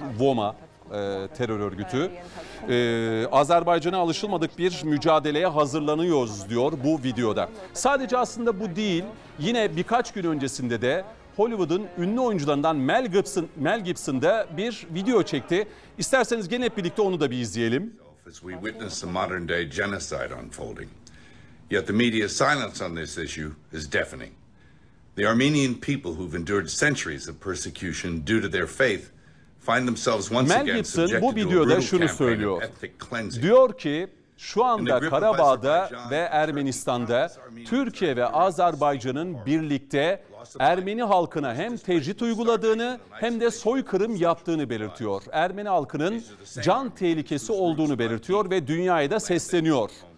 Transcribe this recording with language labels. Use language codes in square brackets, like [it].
[tr] VOMA terör örgütü. Azerbaycan'a alışılmadık bir mücadeleye hazırlanıyoruz diyor bu videoda. Sadece aslında bu değil. Yine birkaç gün öncesinde de Hollywood'un ünlü oyuncularından Mel Gibson da bir video çekti. İsterseniz gene hep birlikte onu da bir izleyelim. [en] As we witness the modern day genocide unfolding, yet the media's silence on this issue is deafening. The Armenian people who've endured centuries of persecution due to their faith find themselves once again subjected to a brutal campaign of ethnic cleansing. [tr] Mel Gibson bu videoda şunu söylüyor. Diyor ki şu anda Karabağ'da ve Ermenistan'da Türkiye ve Azerbaycan'ın birlikte Ermeni halkına hem tecrit uyguladığını hem de soykırım yaptığını belirtiyor. Ermeni halkının can tehlikesi olduğunu belirtiyor ve dünyaya da sesleniyor.